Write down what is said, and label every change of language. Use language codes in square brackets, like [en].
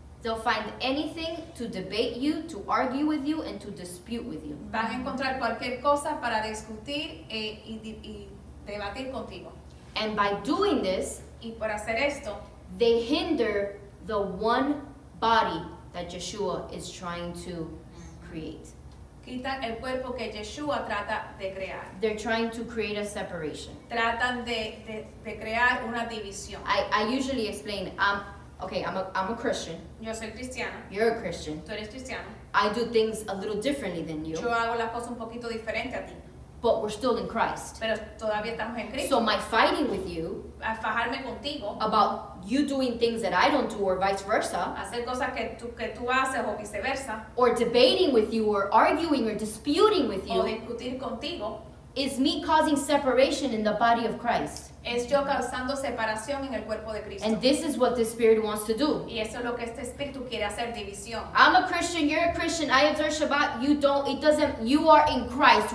[en] They'll find anything to debate you, to argue with you, and to dispute with you. [es] Van a encontrar cualquier cosa para discutir y debatir contigo. [en] And by doing this, [es] y por hacer esto, [en] they hinder the one body that Yeshua is trying to create. [es] Quitan el cuerpo que Yeshua trata de crear. [en] They're trying to create a separation. [es] Tratan de crear una división. [en] I usually explain, okay, I'm a Christian. [es] Yo soy cristiana. [en] You're a Christian. [es] Tú eres cristiano. [en] I do things a little differently than you. [es] Yo hago las cosas un poquito diferente a ti. [en] But we're still in Christ. [es] Pero todavía estamos en Cristo. [en] So my fighting with you [es] a fajarme contigo, [en] about you doing things that I don't do or vice versa, [es] hacer cosas que tú haces o viceversa, [en] or debating with you or arguing or disputing with you [es] o discutir contigo, [en] is me causing separation in the body of Christ. [es] Es yo causando separación en el cuerpo de Cristo. [en] And this is what the Spirit wants to do. [es] Y eso es lo que este espíritu quiere hacer, división. [en] I'm a Christian, you're a Christian, I observe Shabbat, you don't, it doesn't, you are in Christ.